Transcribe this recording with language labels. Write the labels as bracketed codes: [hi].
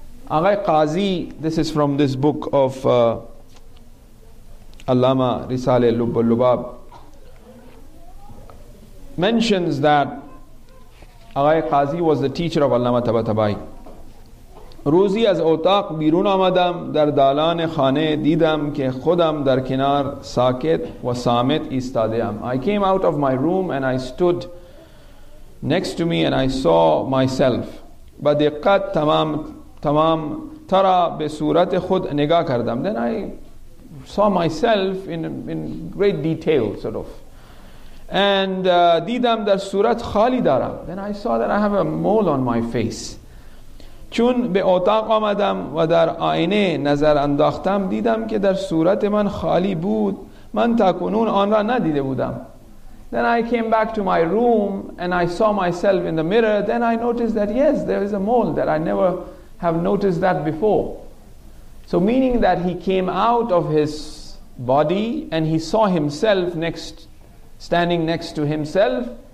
[en] Aghai Qazi, this is from this book of Allama Risale Lubbul Lubab, mentions that Aghai Qazi was the teacher of Allama Tabatabai. [fa] روزی از اتاق بیرون آمدم، در دالان خانه دیدم که خودم در کنار ساکت و صامت ایستادم. [en] I came out of my room and I stood next to me and I saw myself. [fa] با دقت تمام ترا به صورت خود نگاه کردم. [en] Then I saw myself in great detail, sort of. [fa] And دیدم در صورت خالی دارم. [en] Then I saw that I have a mole on my face. [fa] چون به اتاق آمدم و در آینه نظر انداختم، دیدم که در صورت من خالی بود. من تاکنون آن را ندیده بودم. [en] Then I came back to my room and I saw myself in the mirror. Then I noticed that yes, there is a mole that I never have noticed that before. So meaning that he came out of his body and he saw himself next, standing next to himself.